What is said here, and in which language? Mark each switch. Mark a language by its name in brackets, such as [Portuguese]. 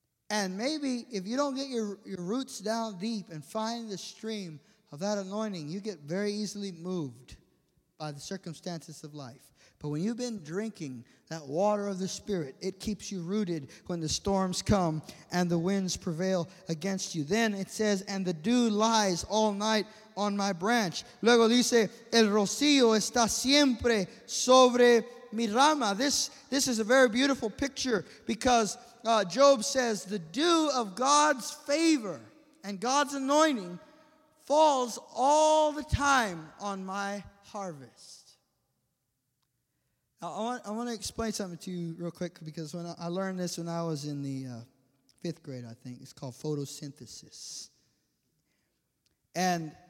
[English] And maybe if you don't get your roots down deep and find the stream of that anointing, you get very easily moved by the circumstances of life. But when you've been drinking that water of the Spirit, it keeps you rooted when the storms come and the winds prevail against you. Then it says, and the dew lies all night on my branch. [Spanish] Luego dice, el rocío está siempre sobre mi rama. [English] This is a very beautiful picture because Job says the dew of God's favor and God's anointing falls all the time on my harvest. I want to explain something to you real quick, because when I learned this when I was in the fifth grade, I think. It's called photosynthesis. And